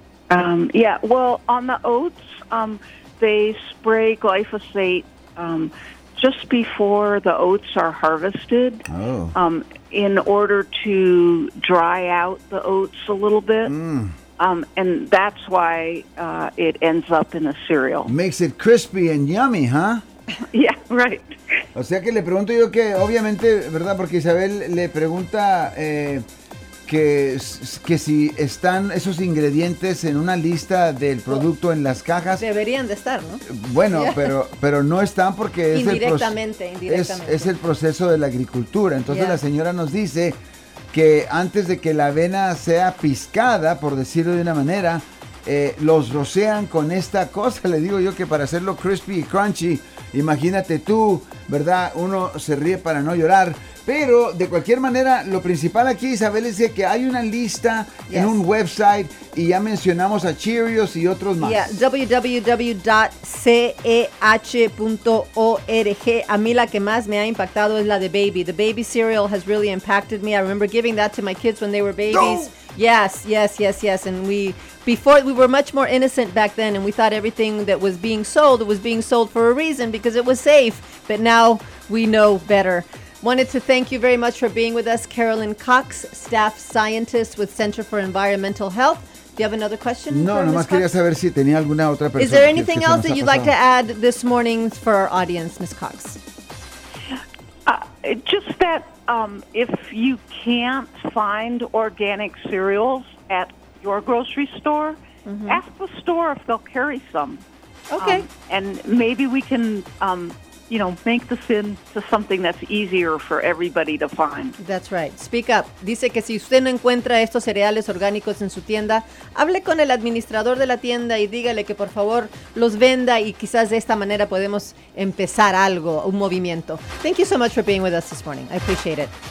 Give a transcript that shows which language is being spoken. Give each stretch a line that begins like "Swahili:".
English: Well, on the oats, they spray glyphosate just before the oats are harvested. In order to dry out the oats a little bit. Mm. And that's why it ends up in a cereal. Makes it crispy and yummy, huh? Yeah, right.
Spanish: O sea que le pregunto yo que, obviamente, ¿verdad? Porque Isabel le pregunta que si están esos ingredientes en una lista del producto en las cajas. Deberían de estar, ¿no? Bueno, yeah. pero no están porque es indirectamente. Es el proceso de la agricultura. Entonces la señora nos dice que antes de que la avena sea piscada, por decirlo de una manera, los rocean con esta cosa. Le digo yo que para hacerlo crispy y crunchy, imagínate tú, ¿verdad? Uno se ríe para no llorar. Pero, de cualquier manera, lo principal aquí, Isabel, es que hay una lista en un website y ya mencionamos a Cheerios y otros más.
English: Yeah, www.ceh.org.
Spanish: A mí la que más me ha impactado es la de Baby.
English: The Baby cereal has really impacted me. I remember giving that to my kids when they were babies. No. Yes. And we were much more innocent back then, and we thought everything that was being sold, it was being sold for a reason because it was safe. But now we know better. Wanted to thank you very much for being with us, Carolyn Cox, staff scientist with Center for Environmental Health. Do you have another question?
Spanish: No, nomás quería saber si tenía alguna otra persona.
English: Is there anything else that you'd like to add this morning for our audience, Ms. Cox? Just that if you can't find organic cereals at your grocery store, Mm-hmm. Ask the store if they'll carry some. Okay. And maybe we can, make this into something that's easier for everybody to find. That's right. Speak up.
Spanish: Dice que si usted no encuentra estos cereales orgánicos en su tienda, hable con el administrador de la tienda y dígale que por favor los venda y quizás de esta manera podemos empezar algo, un movimiento.
English: Thank you so much for being with us this morning. I appreciate it.